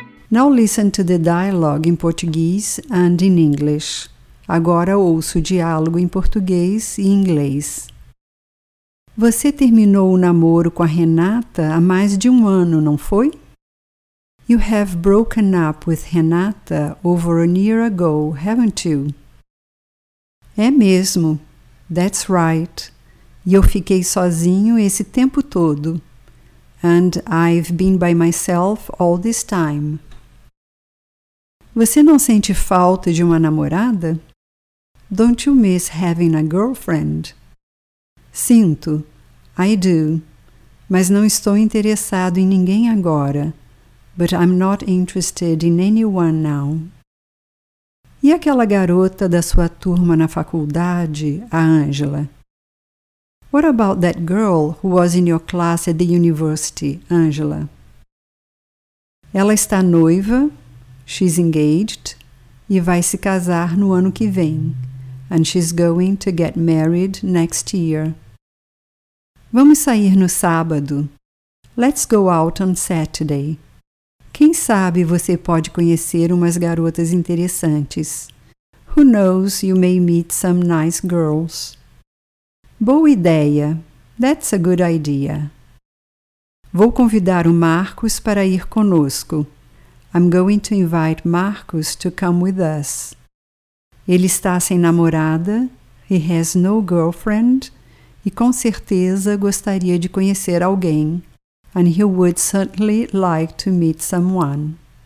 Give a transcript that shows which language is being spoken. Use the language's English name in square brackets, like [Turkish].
[English] Now listen to the dialogue in Portuguese and in English. [Portuguese] Agora ouço o diálogo em português e inglês. Você terminou o namoro com a Renata há mais de um ano, não foi? [English] You have broken up with Renata over a year ago, haven't you? [Portuguese] É mesmo. [English] That's right. [Portuguese] E eu fiquei sozinho esse tempo todo. [English] And I've been by myself all this time. [Portuguese] Você não sente falta de uma namorada? [English] Don't you miss having a girlfriend? [Portuguese] Sinto. [English] I do. [Portuguese] Mas não estou interessado em ninguém agora. [English] But I'm not interested in anyone now. [Portuguese] E aquela garota da sua turma na faculdade, a Ângela? [English] What about that girl who was in your class at the university, Ângela? [Portuguese] Ela está noiva, [English] she's engaged, [Portuguese] e vai se casar no ano que vem. [English] And she's going to get married next year. [Portuguese] Vamos sair no sábado. [English] Let's go out on Saturday. [Portuguese] Quem sabe você pode conhecer umas garotas interessantes. [English] Who knows, you may meet some nice girls. [Portuguese] Boa ideia. [English] That's a good idea. [Portuguese] Vou convidar o Marcos para ir conosco. [English] I'm going to invite Marcos to come with us. [Portuguese] Ele está sem namorada, [English] he has no girlfriend, [Portuguese] e com certeza gostaria de conhecer alguém. [English] And he would certainly like to meet someone.